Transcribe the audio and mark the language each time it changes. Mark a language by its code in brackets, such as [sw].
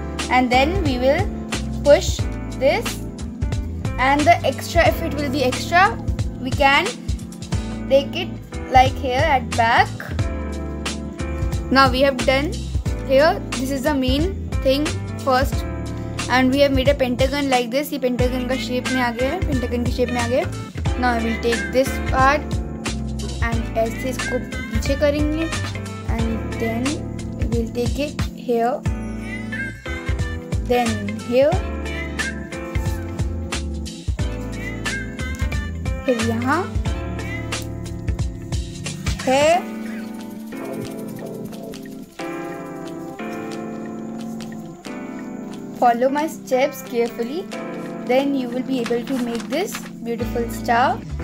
[en] And then we will push this, and the extra, if it will be extra, we can take it like here at back. Now we have done here, this is the main thing first, and we have made a pentagon like this. [hi] ये pentagon का shape में आ गया है, pentagon की shape में आ गया। [en] Now we will take this part and [hi] ऐसे इसको पीछे करेंगे, [en] and then we'll take it here. Then here, [hi] yahan, [en] here, follow my steps carefully, then you will be able to make this beautiful star.